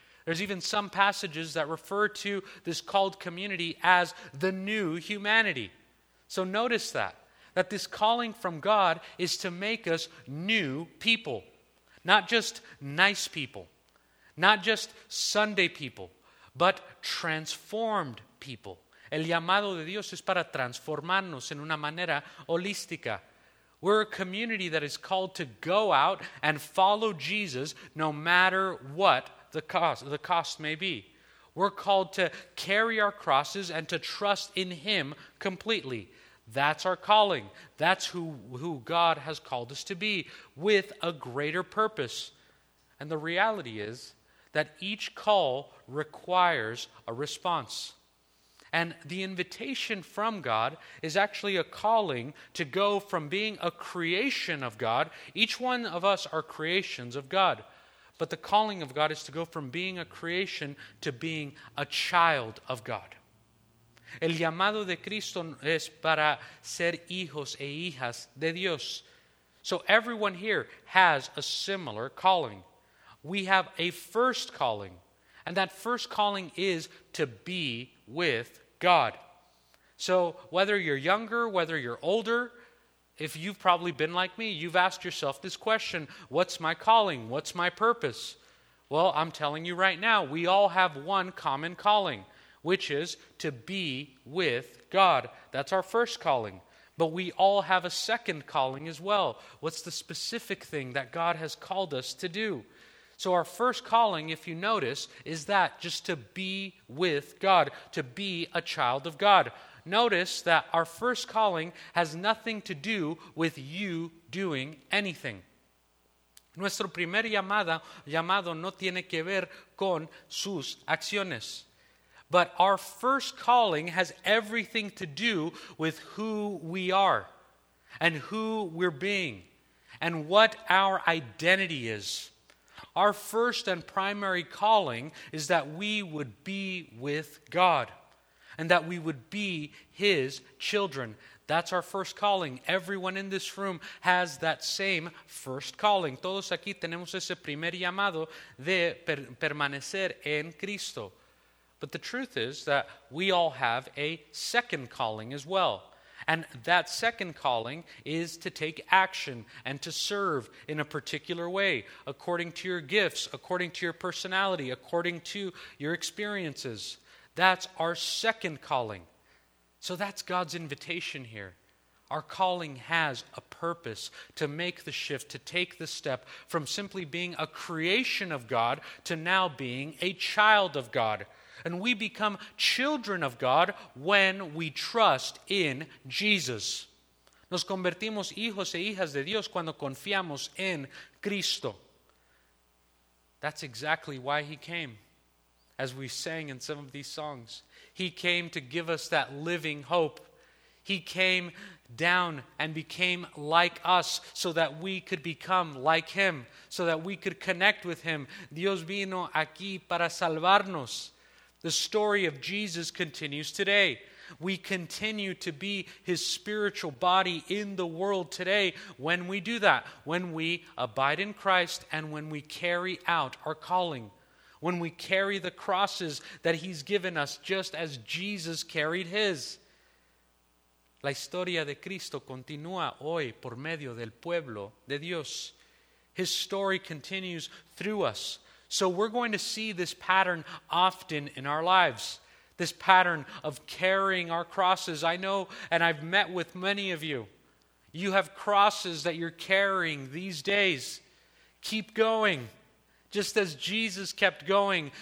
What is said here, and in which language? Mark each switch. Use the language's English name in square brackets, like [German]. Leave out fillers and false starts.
[English] There's even some passages that refer to this called community as the new humanity. So notice that this calling from God is to make us new people. Not just nice people, not just Sunday people, but transformed people. [Spanish] El llamado de Dios es para transformarnos en una manera holística. [English] We're a community that is called to go out and follow Jesus no matter what the cost may be. We're called to carry our crosses and to trust in Him completely. That's our calling. That's who God has called us to be, with a greater purpose. And the reality is that each call requires a response. And the invitation from God is actually a calling to go from being a creation of God. Each one of us are creations of God. But the calling of God is to go from being a creation to being a child of God. [Spanish] El llamado de Cristo es para ser hijos e hijas de Dios. [English] So everyone here has a similar calling. We have a first calling. And that first calling is to be with God. So whether you're younger, whether you're older, if you've probably been like me, you've asked yourself this question: what's my calling? What's my purpose? Well, I'm telling you right now, we all have one common calling, which is to be with God. That's our first calling. But we all have a second calling as well. What's the specific thing that God has called us to do? So our first calling, if you notice, is that just to be with God, to be a child of God. Notice that our first calling has nothing to do with you doing anything. [Spanish] Nuestro primer llamado no tiene que ver con sus acciones. [English] But our first calling has everything to do with who we are and who we're being and what our identity is. Our first and primary calling is that we would be with God and that we would be His children. That's our first calling. Everyone in this room has that same first calling. [Spanish] Todos aquí tenemos ese primer llamado de permanecer en Cristo. [English] But the truth is that we all have a second calling as well. And that second calling is to take action and to serve in a particular way, according to your gifts, according to your personality, according to your experiences. That's our second calling. So that's God's invitation here. Our calling has a purpose to make the shift, to take the step from simply being a creation of God to now being a child of God. And we become children of God when we trust in Jesus. [Spanish] Nos convertimos hijos e hijas de Dios cuando confiamos en Cristo. [English] That's exactly why He came, as we sang in some of these songs. He came to give us that living hope. He came down and became like us so that we could become like Him, so that we could connect with Him. [Spanish] Dios vino aquí para salvarnos. [English] The story of Jesus continues today. We continue to be His spiritual body in the world today when we do that, when we abide in Christ and when we carry out our calling, when we carry the crosses that He's given us just as Jesus carried His. [Spanish] La historia de Cristo continúa hoy por medio del pueblo de Dios. [English] His story continues through us. So we're going to see this pattern often in our lives, this pattern of carrying our crosses. I know, and I've met with many of you. You have crosses that you're carrying these days. Keep going, just as Jesus kept going.